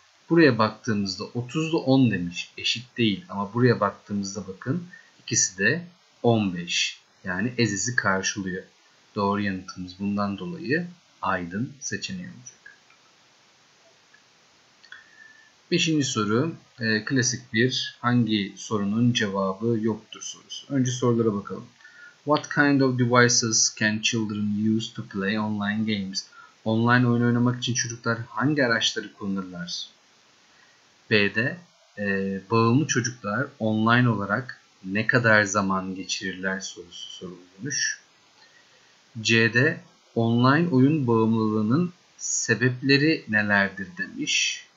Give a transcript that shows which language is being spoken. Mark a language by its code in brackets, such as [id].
[tr] Buraya baktığımızda 30'da 10 demiş. Eşit değil ama buraya baktığımızda bakın ikisi de 15. Yani ezizi karşılıyor. Doğru yanıtımız bundan dolayı aydın seçeneği olacak. Beşinci soru, klasik bir hangi sorunun cevabı yoktur sorusu. Önce sorulara bakalım. [en] What kind of devices can children use to play online games? [tr] Online oyun oynamak için çocuklar hangi araçları kullanırlar? B'de bağımlı çocuklar online olarak ne kadar zaman geçirirler sorusu sorulmuş. C'de online oyun bağımlılığının sebepleri nelerdir demiş.